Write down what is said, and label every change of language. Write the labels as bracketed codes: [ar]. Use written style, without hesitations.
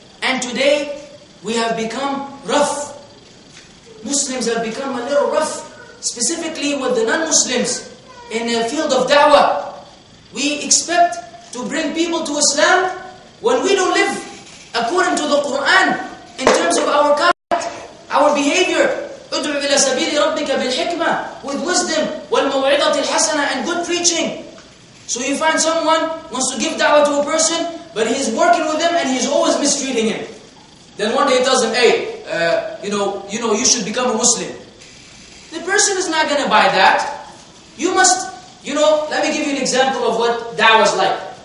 [en] And today, we have become rough. Muslims have become a little rough, specifically with the non-Muslims in the field of da'wah. We expect to bring people to Islam when we don't live a according to the Quran, in terms of our conduct, our behavior. [ar] ادعو إلى سبيل ربك بالحكمة, [en] with wisdom, [ar] والموعظة الحسنة, [en] and good preaching. So you find someone wants to give da'wah to a person, but he's working with him and he's always mistreating him. Then one day he tells him, hey, you know, you should become a Muslim. The person is not going to buy that. You must, you know, let me give you an example of what da'wah is like.